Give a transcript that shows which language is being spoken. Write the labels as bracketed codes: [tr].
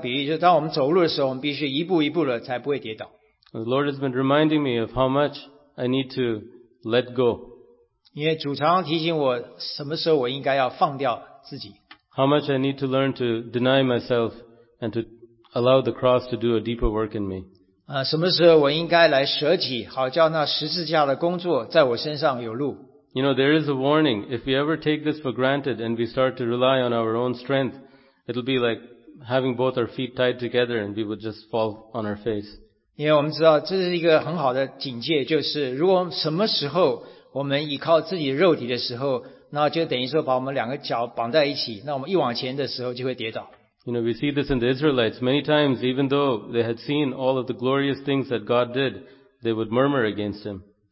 [zh] 因为我常有做过这样的比喻，就是当我们走路的时候，我们必须一步一步的才不会跌倒。 [en] The Lord has been reminding me of how much I need to let go. [zh] 因为主常常提醒我，什么时候我应该要放掉自己。 [en] How much I need to learn to deny myself and to allow the cross to do a deeper work in me. [zh] 什么时候我应该来舍己，好叫那十字架的工作在我身上有路。 [en] You know, there is a warning. If we ever take this for granted and we start to rely on our own strength, it'll be like having both our feet tied together and we would just fall on our face. [zh] 因为我们知道这是一个很好的警戒，就是如果什么时候我们依靠自己肉体的时候， 那就等于说把我们两个脚绑在一起， 那我们一往前的时候就会跌倒。 [en] You know, we see this in the Israelites. Many times, even though they had seen all of the glorious things that God did, they would murmur against Him.